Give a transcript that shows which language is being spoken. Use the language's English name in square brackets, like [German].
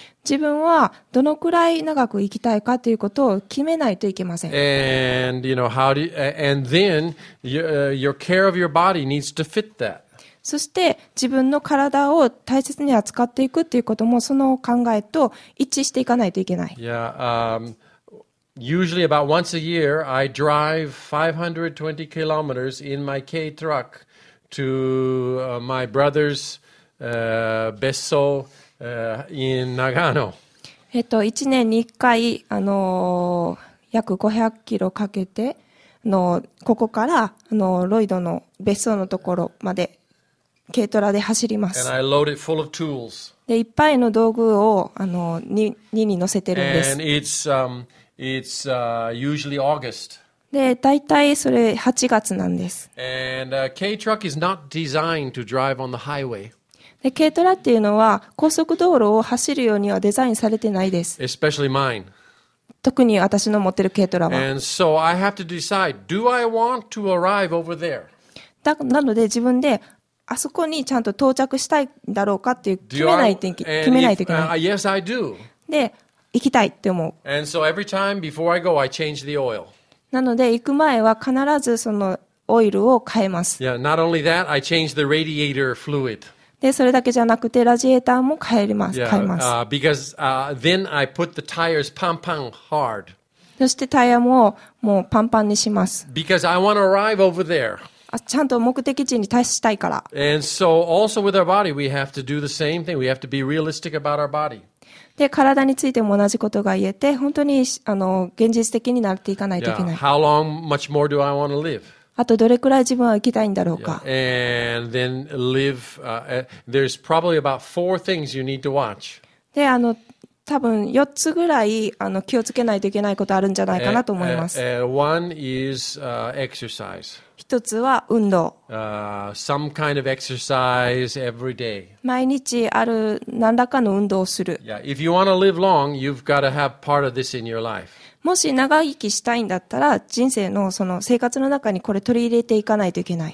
[Japanese] 自分はどのくらい長く生きたいかということを決めないといけません。 [English] And, you know, how do you, and then your care of your body needs to fit that. [Japanese] そして自分の体を大切に扱っていくということもその考えと一致していかないといけない。 [English] Yeah, usually about once a year, I drive 520 kilometers in my K truck to my brother's別荘in Nagano. [Japanese] 1年に1回約500キロかけてここからロイドの別荘のところまで軽トラで走ります。 [English] And I load it full of tools. [Japanese] でいっぱいの道具を荷に乗せてるんです。 [English] And it's, it's, usually August. [Japanese] で大体それ8月なんです。 [English] And a K-truck is not designed to drive on the highway. [Japanese] で、軽トラっていうのは高速道路を走るようにはデザインされてないです。 [English] Especially mine. [Japanese] 特に私の持ってる軽トラは。 [English] And so I have to decide, do I want to arrive over there? [Japanese] なので自分であそこにちゃんと到着したいだろうかっていう決めないといけない。決めないといけない。 [English] Yes, I do. [Japanese] で、行きたいって思う。 [English] And so every time before I go, I change the oil. [Japanese] なので行く前は必ずそのオイルを変えます。 [English] Yeah, not only that, I change the radiator fluid. [Japanese] でそれだけじゃなくてラジエーターも変えます。変えます。Yeah, [English] because, then I put the tires pump, pump hard. [Japanese] そしてタイヤももうパンパンにします。 [English] Because I want to arrive over there. [Japanese] ちゃんと目的地に達したいから。 [English] And so also with our body, we have to do the same thing. We have to be realistic about our body. [Japanese] で体についても同じことが言えて本当に現実的になっていかないといけない。 [English] Yeah, how long much more do I want to live? [Japanese] あとどれくらい自分は生きたいんだろうか。 [English] And then live, there's probably about four things you need to watch. [Japanese] で、あの、多分4つぐらい、あの、気をつけないといけないことあるんじゃないかなと思います。 [English] One is, exercise. [Japanese] 一つは運動。 [English] Some kind of exercise every day. [Japanese] 毎日ある何らかの運動をする。 [English] Yeah, if you want to live long, you've got to have part of this in your life. [Japanese] もし長生きしたいんだったら、人生のその生活の中にこれ取り入れていかないといけない。